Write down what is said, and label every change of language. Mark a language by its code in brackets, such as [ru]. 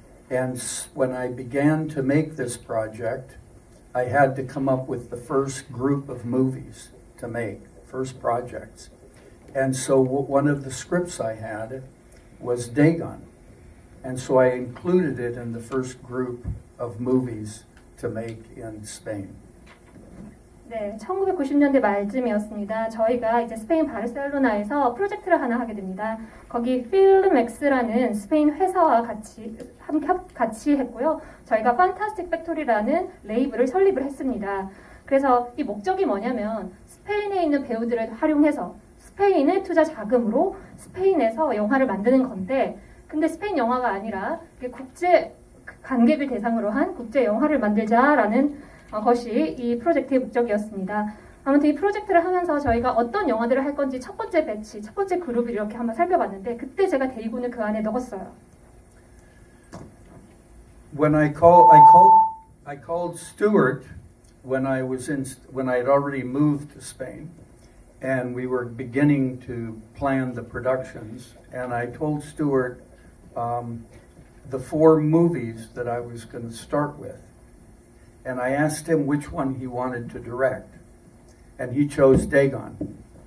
[en] And when I began to make this project, I had to come up with the first group of movies to make, first projects. And so one of the scripts I had was Dagon. And so I included it in the first group of movies to make in Spain. [ko] 네, 1990년대 말쯤이었습니다. 저희가 이제 스페인 바르셀로나에서 프로젝트를 하나 하게 됩니다. 거기 필맥스라는 스페인 회사와 같이 했고요. 저희가 판타스틱 팩토리라는 레이블을 설립을 했습니다. 그래서 이 목적이 뭐냐면 스페인에 있는 배우들을 활용해서 스페인의 투자 자금으로 스페인에서 영화를 만드는 건데 근데 스페인 영화가 아니라 국제 관객을 대상으로 한 국제 영화를 만들자라는 것이 이 프로젝트의 목적이었습니다. 아무튼 이 프로젝트를 하면서 저희가 어떤 영화들을 할 건지 첫 번째 배치, 첫 번째 그룹을 이렇게 한번 살펴봤는데 그때 제가 데이군을 그 안에 넣었어요. [en] when I called, I called, I called Stuart when I was in, when I had already moved to Spain, and we were beginning to plan the productions. And I told Stuart the four movies that I was going to start with, and I asked him which one he wanted to direct, and he chose Dagon.